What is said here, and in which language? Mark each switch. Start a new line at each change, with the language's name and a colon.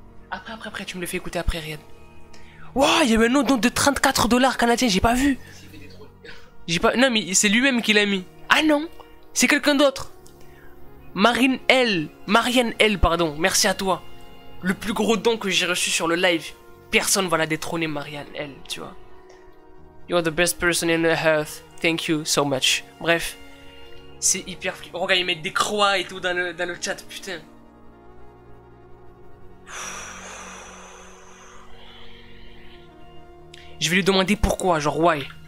French: Après, tu me le fais écouter après, Riyad. Wow, il y avait un autre don de 34 dollars canadiens, j'ai pas vu. J'ai pas. Non, mais c'est lui-même qui l'a mis. Ah non, c'est quelqu'un d'autre. Marianne L, pardon, merci à toi. Le plus gros don que j'ai reçu sur le live. Personne va la détrôner, Marianne L, tu vois.
English: You're the best person in the earth, thank you so much.
French: Bref, c'est hyper flippant. Oh, regarde, ils mettent des croix et tout dans le chat, putain. Je vais lui demander pourquoi, genre
English: why.